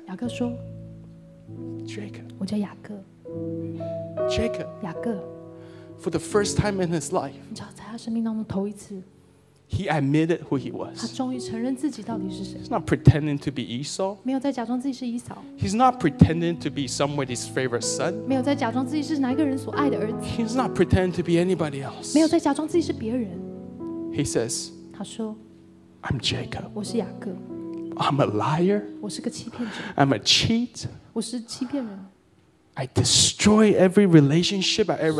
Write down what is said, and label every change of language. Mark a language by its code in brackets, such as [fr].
[zh] 雅各说 [en] Jacob, [zh] 我叫雅各 [en] Jacob, [zh] 雅各 [en] For the first time in his life, [zh] 你知道在他生命当中头一次 [en] He admitted who he was. [zh] 他终于承认自己到底是谁 [en] He's not pretending to be Esau. [zh] 没有在假装自己是以扫 [en] He's not pretending to be somebody's favorite son. [zh] 没有在假装自己是哪一个人所爱的儿子 [en] He's not pretending to be anybody else. [zh] 没有在假装自己是别人 [en] He says, [zh] 他说 [en] I'm Jacob. [zh] 我是雅各 [en] I'm a liar. [zh] 我是个欺骗者。 [en] I'm a cheat. [zh] 我是欺骗人。 [en] I destroy every relationship I ever had.